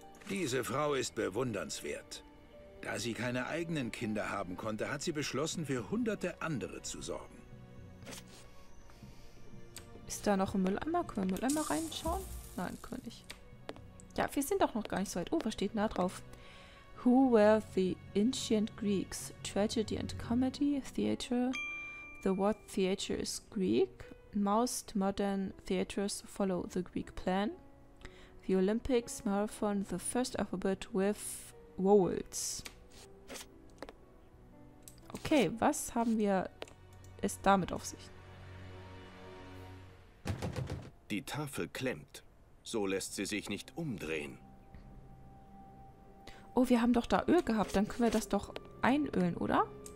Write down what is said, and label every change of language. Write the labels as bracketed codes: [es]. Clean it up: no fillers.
[de] Diese Frau ist bewundernswert. Da sie keine eigenen Kinder haben konnte, hat sie beschlossen, für hunderte andere zu sorgen. Ist da noch ein Mülleimer? Können wir Mülleimer reinschauen? Nein, können wir nicht. Ja, wir sind doch noch gar nicht so weit. Oh, was steht da drauf? [en] Who were the ancient Greeks? Tragedy and Comedy Theater. The what theater is Greek? Most modern theaters follow the Greek plan. The Olympics, Marathon, the first alphabet with vowels. [de] Okay, was haben wir es damit auf sich? Die Tafel klemmt. So lässt sie sich nicht umdrehen. Oh, wir haben doch da Öl gehabt. Dann können wir das doch einölen, oder?